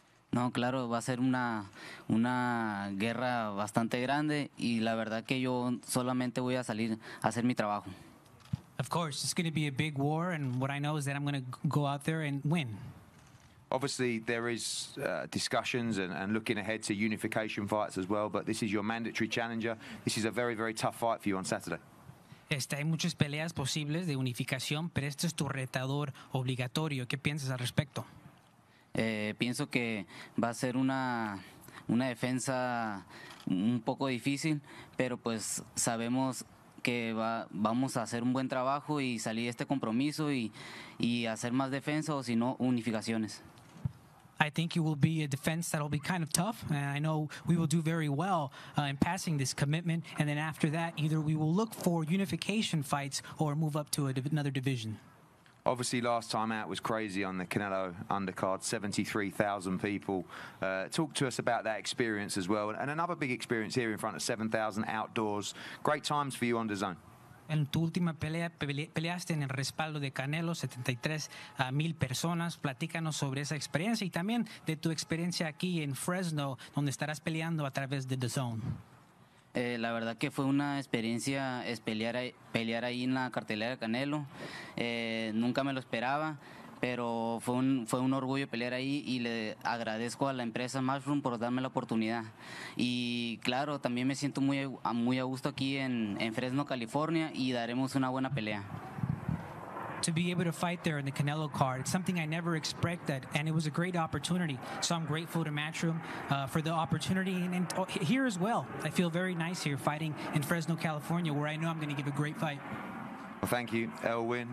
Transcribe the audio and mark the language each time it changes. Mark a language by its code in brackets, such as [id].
[es] No, claro, va a ser una guerra bastante grande, y la verdad que yo solamente voy a salir a hacer mi trabajo. [en] Of course, it's going to be a big war, and what I know is that I'm going to go out there and win. Obviously, there is discussions and looking ahead to unification fights as well, but this is your mandatory challenger. This is a very, very tough fight for you on Saturday. [es] Hay muchas peleas posibles de unificación, pero este es tu retador obligatorio. ¿Qué piensas al respecto? Pienso que va a ser una defensa un poco difícil, pero pues sabemos que vamos a hacer un buen trabajo y salir de este compromiso y hacer más defensa o si no unificaciones. [en] I think it will be a defense that will be kind of tough, and I know we will do very well in passing this commitment, and then after that either we will look for unification fights or move up to another division. Obviously, last time out was crazy on the Canelo undercard, 73,000 people. Talk to us about that experience as well. And another big experience here in front of 7,000 outdoors. Great times for you on DAZN. [es] En tu última pelea, peleaste en el respaldo de Canelo, 73,000 personas. Platícanos sobre esa experiencia y también de tu experiencia aquí en Fresno, donde estarás peleando a través de DAZN. La verdad que fue una experiencia pelear ahí en la cartelera de Canelo. Nunca me lo esperaba, pero fue un orgullo pelear ahí y le agradezco a la empresa Mushroom por darme la oportunidad. Y claro, también me siento muy a gusto aquí en Fresno, California, y daremos una buena pelea. [en] To be able to fight there in the Canelo card, it's something I never expected, and it was a great opportunity. So I'm grateful to Matchroom for the opportunity, and here as well. I feel very nice here fighting in Fresno, California, where I know I'm going to give a great fight. Well, thank you, Elwin.